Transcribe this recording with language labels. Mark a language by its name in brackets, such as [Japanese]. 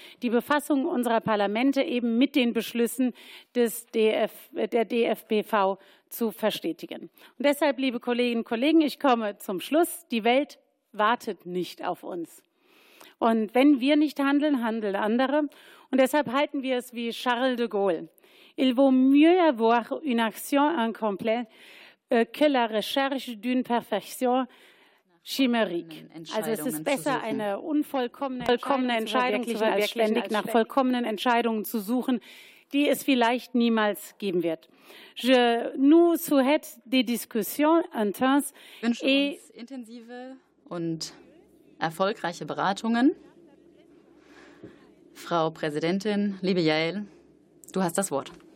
[German] Die Befassung unserer Parlamente eben mit den Beschlüssen der DFBV zu verstetigen. Und deshalb, liebe Kolleginnen und Kollegen, ich komme zum Schluss. Die Welt wartet nicht auf uns. Und wenn wir nicht handeln, handeln andere. Und deshalb halten wir es wie Charles de Gaulle. [French] Il vaut mieux avoir une action incomplète que la recherche d'une perfection chimérique. [German] Also es ist besser, eine unvollkommene Entscheidung zu verwirklichen, als ständig nach vollkommenen Entscheidungen zu suchen, die es vielleicht niemals geben wird. [French] Je nous souhaite des discussions intenses [German] et wünsche uns intensive und erfolgreiche Beratungen. Frau Präsidentin, liebe Jael, du hast das Wort.